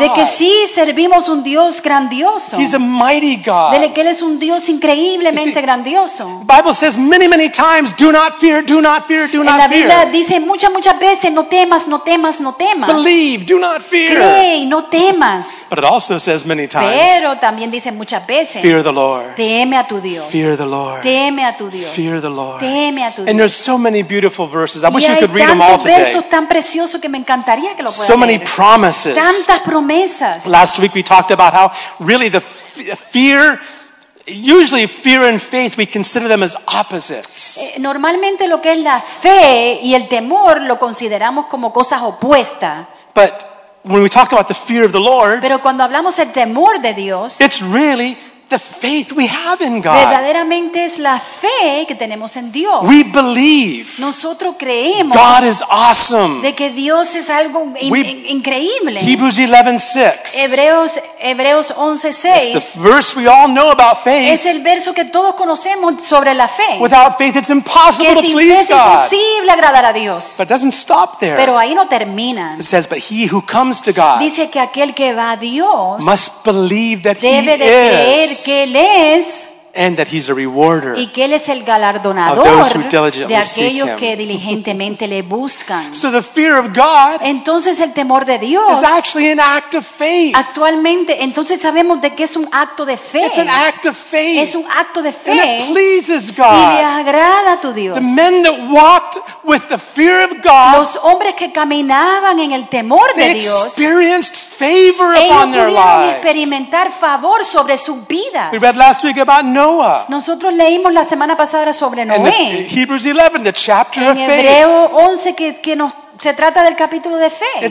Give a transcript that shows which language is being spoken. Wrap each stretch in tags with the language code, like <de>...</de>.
<es>De que sí servimos un Dios grandioso.</es> <en>He's a mighty God.</en> <es>De que él es un Dios increíblemente grandioso.</es> <en>The Bible says many, many times, "Do not fear, do not fear, do not fear."</en> <es>En la Biblia dice muchas, muchas veces, "No temas, no temas, no temas."</es> <en>Believe, do not fear.</en> <es>Cree, hey, no temas.</es> <en>But it also says many times.</en> <es>Pero también dice muchas veces.</es> <en>Fear the Lord.</en> <es>Teme a tu Dios.</es> <en>Fear the Lord.</en> <es>Teme a tu Dios.</es> <en>Fear the Lord.</en> <es>Teme a tu Dios.</es> <en>And there's so many beautiful verses. I wish you could read them all today.</en> <es>Y hay tantos versos tan preciosos que me encantaría que lo puedas</es> <en>leer. So many promises.</en> <es>Tantas promesas.</es> <en>Last week we talked about how really the fear. Usually, fear and faith, we consider them as opposites.</en> <es>Normalmente, lo que es la fe y el temor lo consideramos como cosas opuestas.</es> <en>But when we talk about the fear of the Lord,</en> <es>pero cuando hablamos el temor de Dios,</es> <en>it's really the faith we have in God.</en> <es>Verdaderamente es la fe que tenemos en Dios.</es> <en>We believe.</en> <es>Nosotros creemos.</es> <en>God is awesome.</en> <es>De que Dios es algo increíble.</es> <en>Hebrews 11:6.</en> <es>Hebreos 11:6.</es> <en>It's the verse we all know about faith.</en> <es>Es el verso que todos conocemos sobre la fe.</es> <en>Without faith, it's impossible to please God.</en> <es>Que sin fe es imposible agradar a Dios.</es> <en>But it doesn't stop there.</en> <es>Pero ahí no termina.</es> <en>It says, "But he who comes to God."</en> <es>Dice que aquel que va a Dios</es> <en>must believe that he</en> <es>debe de creer que él es.</es> <en>And that he's a rewarder</en> <es>y que él es el galardonador</es> <en>of those who diligently</en> <es>de aquellos</es> <en>seek him.</en> <es>Que diligentemente le buscan.</es> <en>So the fear of God,</en> <es>entonces el temor de Dios,</es> <en>is actually an act of faith.</en> <es>Actualmente, entonces sabemos de que es un acto de fe.</es> <en>It's an act of faith.</en> <es>Es un acto de fe.</es> <en>And it pleases God.</en> <es>Y le agrada a tu Dios.</es> <en>The men that walked with the fear of God,</en> <es>los hombres que caminaban en el temor de Dios,</es> <en>experienced favor upon their lives.</en> <es>Ellos pudieron experimentar favor sobre sus vidas.</es> <en>We read last week about Noah.</en> <es>Nosotros leímos la semana pasada sobre Noé.</es> <en>And the, Hebrews 11, the chapter</en> <es>en Hebreo 11 que nos, se trata del capítulo de fe.</es>